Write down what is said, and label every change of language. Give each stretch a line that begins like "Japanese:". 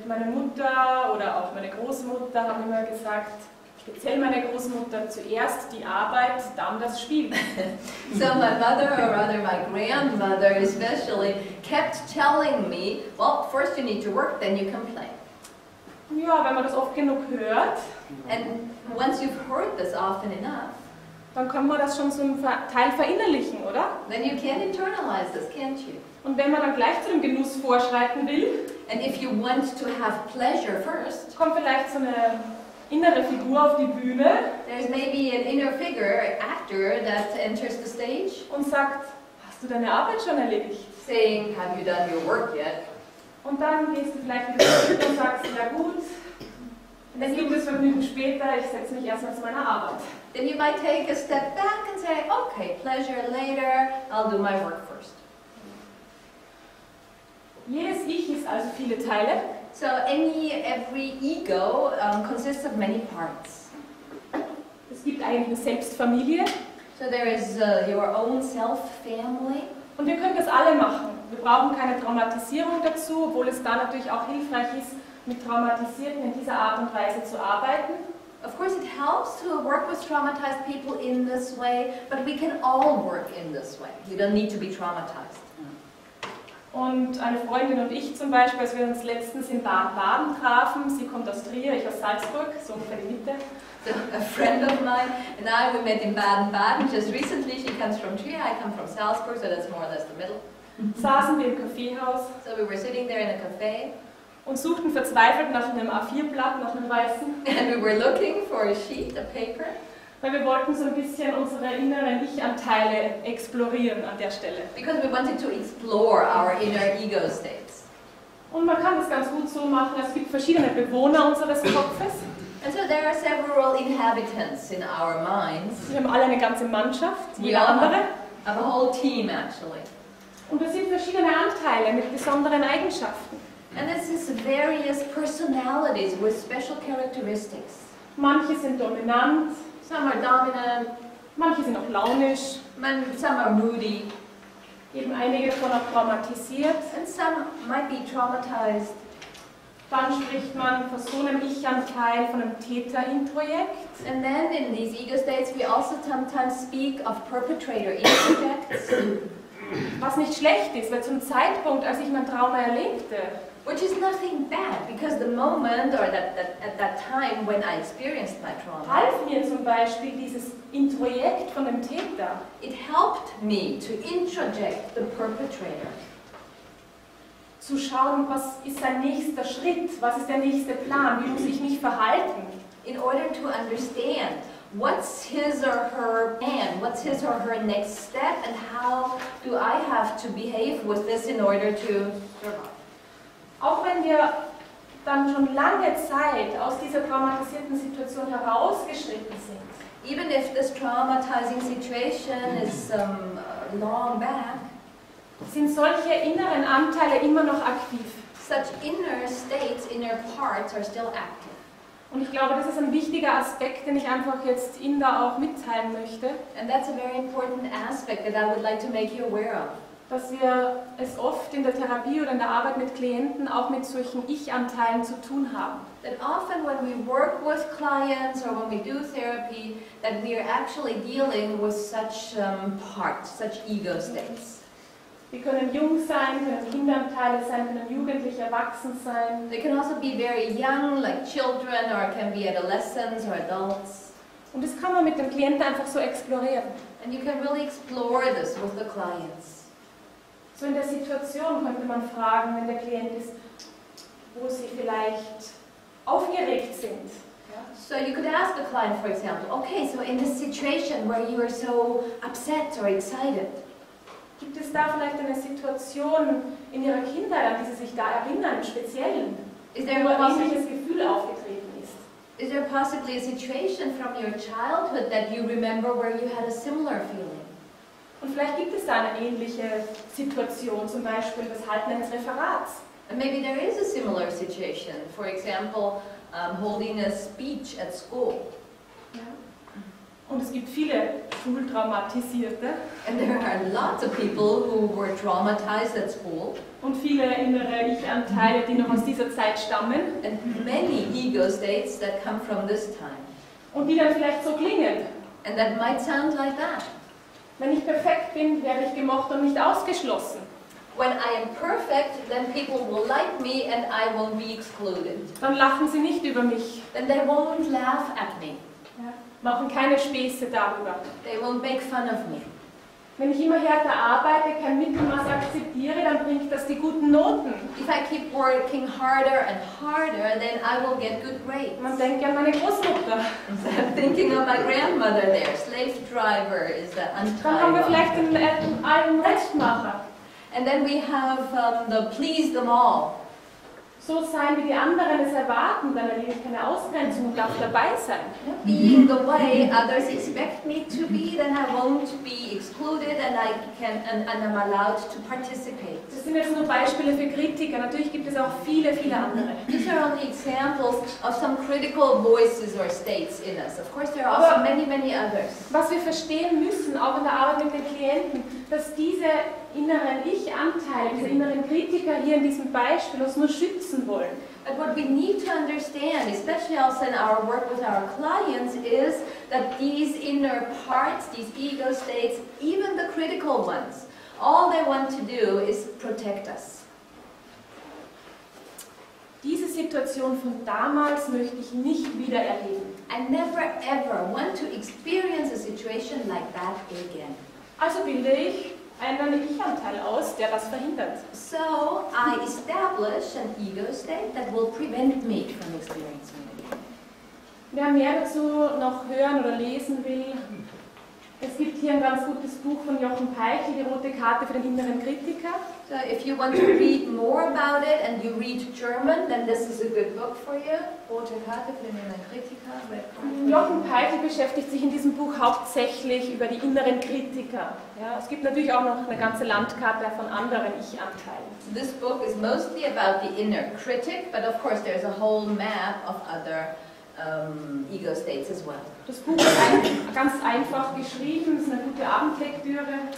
German: Meine Mutter oder auch meine Großmutter haben immer gesagt, speziell meine Großmutter, zuerst die Arbeit, dann das Spiel.
English: So my mother, or rather my grandmother especially, kept telling me, well, first you need to work, then you can play.
German: Ja, wenn man das oft genug hört.
English: And once you've heard this often enough.
German: Dann kann man das schon zum Teil verinnerlichen, oder?
English: Then you can internalize this, can't you?
German: Und wenn man dann gleich zu dem Genuss vorschreiten will.
English: And if you want to have pleasure first.
German: Kommt vielleicht so eine innere Figur auf die Bühne.
English: There's maybe an inner figure, actor, that enters the stage.
German: Und sagt, hast du deine Arbeit schon erledigt?
English: Saying, have you done your work yet?
German: Und dann gehst du vielleicht wieder zurück und sagst, na gut, dann gibt es Vergnügen später, ich setze mich erstmal zu meiner Arbeit.
English: Then you might take a step back and say, okay, pleasure later, I'll do my work first.
German: Jedes Ich ist also viele Teile.
English: So every ego consists of many parts.
German: Es gibt eine Selbstfamilie.
English: So there is your own self family.
German: Und wir können das alle machen. Wir brauchen keine Traumatisierung dazu, obwohl es da natürlich auch hilfreich ist, mit Traumatisierten in dieser Art und Weise zu arbeiten.
English: Of course it helps to work with traumatized people in this way, but we can all work in this way. You don't need to be traumatized.
German: Und eine Freundin und ich zum Beispiel, als wir uns letztens in Baden-Baden trafen, sie kommt aus Trier, ich aus Salzburg, so ungefähr die Mitte.
English: So a friend of mine and I, we met in Baden-Baden just recently. She comes from Trier, I come from Salzburg, so that's more or less the middle.
German: Saßen wir im Kaffeehaus.
English: So we were sitting there in a cafe.
German: Und suchten verzweifelt nach einem A4-Blatt, nach einem weißen.
English: And we were looking for a sheet, a paper.
German: Weil wir wollten so ein bisschen unsere inneren Ich-Anteile explorieren an der Stelle.
English: Because we wanted to explore our inner ego states.
German: Und man kann das ganz gut so machen. Es gibt verschiedene Bewohner unseres Kopfes.
English: And so there are several inhabitants in our minds.
German: Wir haben alle eine ganze Mannschaft, jeder andere.
English: Have a whole team actually.
German: Und wir sind verschiedene Anteile mit besonderen Eigenschaften.
English: And this is various personalities with special characteristics.
German: Manche sind dominant.
English: Some are dominant.
German: Manche sind auch launisch.
English: Some are moody.
German: Eben einige von auch traumatisiert.
English: And some might be traumatized.
German: Dann spricht man von so einem Ich-Anteil, von einem Täter-Introjekt.
English: And then in these ego states we also sometimes speak of perpetrator introjects.
German: Was nicht schlecht ist, weil zum Zeitpunkt, als ich mein Trauma erlebte,
English: which is nothing bad, because the moment or at that time when I experienced my trauma,
German: half mir zum Beispiel dieses Introjekt von dem Täter.
English: It helped me to introject the perpetrator.
German: Zu schauen, was ist sein nächster Schritt, was ist der nächste Plan, wie muss ich mich verhalten?
English: In order to understand what's his or her plan, what's his or her next step, and how do I have to behave with this in order to survive?
German: Auch wenn wir dann schon lange Zeit aus dieser traumatisierten Situation herausgeschritten sind.
English: Even if this traumatizing situation is long back,
German: sind solche inneren Anteile immer noch aktiv.
English: Such inner states, inner parts are still active.
German: Und ich glaube, das ist ein wichtiger Aspekt, den ich einfach jetzt Ihnen da auch mitteilen möchte.
English: And that's a very important aspect that I would like to make you aware of.
German: Dass wir es oft in der Therapie oder in der Arbeit mit Klienten auch mit solchen Ich-Anteilen zu tun haben.
English: That often when we work with clients or when we do therapy, that we are actually dealing with such parts, such ego states.
German: Wir können jung sein, können Kinderanteile sein, können jugendlich erwachsen sein.
English: They can also be very young, like children, or can be adolescents or adults.
German: Und das kann man mit dem Klienten einfach so explorieren.
English: And you can really explore this with the clients.
German: So in der Situation könnte man fragen, wenn der Klient ist, wo sie vielleicht aufgeregt sind.
English: So you could ask the client, for example, okay, so in this situation where you are so upset or excited,
German: gibt es da vielleicht eine Situation in ihrer Kindheit, an die sie sich da erinnern, speziell, wo ein ähnliches Gefühl aufgetreten ist?
English: Is there possibly a situation from your childhood that you remember where you had a similar feeling?
German: Und vielleicht gibt es da eine ähnliche Situation, zum Beispiel das Halten eines Referats.
English: And maybe there is a similar situation, for example, holding a speech at school.
German: Yeah. Und es gibt viele Schultraumatisierte.
English: And there are lots of people who were traumatized at school.
German: Und viele innere Ich-Anteile, die noch aus dieser Zeit stammen.
English: And many ego states that come from this time.
German: Und die dann vielleicht so klingen.
English: And that might sound like that.
German: Wenn ich perfekt bin, werde ich gemocht und nicht ausgeschlossen.
English: When I am perfect, then people will like me and I won't be excluded.
German: Dann lachen sie nicht über mich.
English: Then they won't laugh at me.
German: Ja. Machen keine Späße darüber.
English: They won't make fun of me.
German: Wenn ich immer härter arbeite, kein Mittelmaß akzeptiere, dann bringt das die guten Noten.
English: If I keep working harder and harder, then I will get good grades.
German: Man denkt ja an meine Großmutter.
English: I'm thinking of my grandmother there. Slave driver is the untie.
German: Dann haben wir vielleicht den allen Rechtmacher.
English: And then we have the please them all.
German: So so sein, wie die anderen es erwarten, dann erlebe ich keine Ausgrenzung und darf dabei sein.
English: Being the way others expect me to be, then I won't be excluded and I can and I'm allowed to participate.
German: Das sind jetzt nur Beispiele für Kritiker. Natürlich gibt es auch viele, viele andere.
English: These are only examples of some critical voices or states in us. Of course, there are also many, many others.
German: Was wir verstehen müssen, auch in der Arbeit mit den Klienten, dass diese inneren Ich-Anteile, diese inneren Kritiker hier in diesem Beispiel uns nur schützen wollen.
English: But what we need to understand, especially also in our work with our clients, is that these inner parts, these ego states, even the critical ones, all they want to do is protect us.
German: Diese Situation von damals möchte ich nicht wieder erleben.
English: I never ever want to experience a situation like that again.
German: Also bilde ich einen Ich-Anteil aus, der das verhindert.
English: So I establish an ego state that will prevent me from experiencing it.
German: Wer mehr dazu noch hören oder lesen will, es gibt hier ein ganz gutes Buch von Jochen Peichel, Die rote Karte für den inneren Kritiker.
English: So if you want to read more about it and you read German, then this is a good book for you.
German: Rote Karte für den inneren Kritiker. Jochen Peichel beschäftigt sich in diesem Buch hauptsächlich über die inneren Kritiker. Ja, es gibt natürlich auch noch eine ganze Landkarte von anderen Ich-Anteilen.
English: So this book is mostly about the inner critic, but of course there's a whole map of other ego states as well.
German: Das Buch ist ganz einfach geschrieben, ist eine gute Abendlektüre.